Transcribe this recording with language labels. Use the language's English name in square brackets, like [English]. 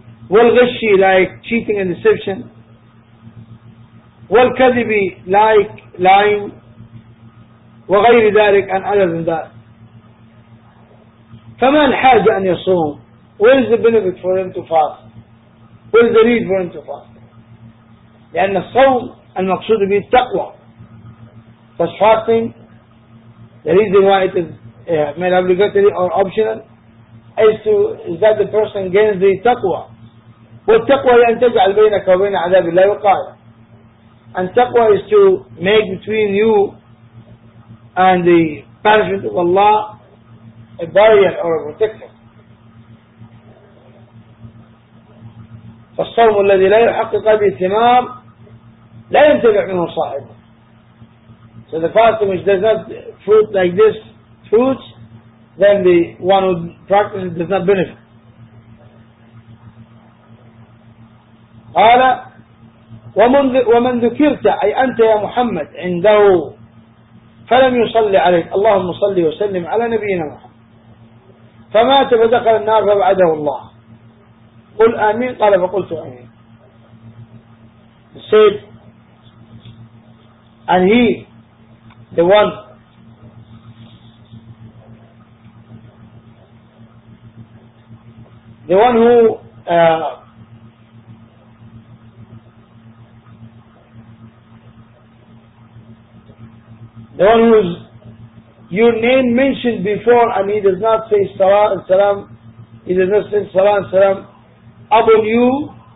[Arabic] والغشي, [English] like cheating and deception, [Arabic] والكذبي, [English] like lying, [Arabic] وغير ذلك, [English] and other than that. [Arabic] فما الحاجة أن يصوم؟ [English] What is the benefit for him to fast? What is the need for him to fast? [Arabic] لأن الصوم المقصود به التقوى. [English] Such fasting, the reason why it is made obligatory or optional is that the person gains the taqwa. [Arabic] والتقوى هي أن تجعل بينك وبين عذاب الله وقايا. [English] And taqwa is to make between you and the punishment of Allah a barrier or a protector. [Arabic] فالصوم الذي لا يحقق به ثمار لا ينتفع منه صاحبه. [English] So the fasting which does not fruit like this fruits, then the one who practices does not benefit. [Arabic] قال ومن ذكرت أي أنت يا محمد عنده فلم يصلي عليك اللهم صلي وسلم على نبينا محمد فمات فدخل النار فبعده الله قل آمين قال فقلت آمين. [English] Said, and he, the one who the one whose your name mentioned before and he does not say salam and salam, he does not say salam and salam upon you,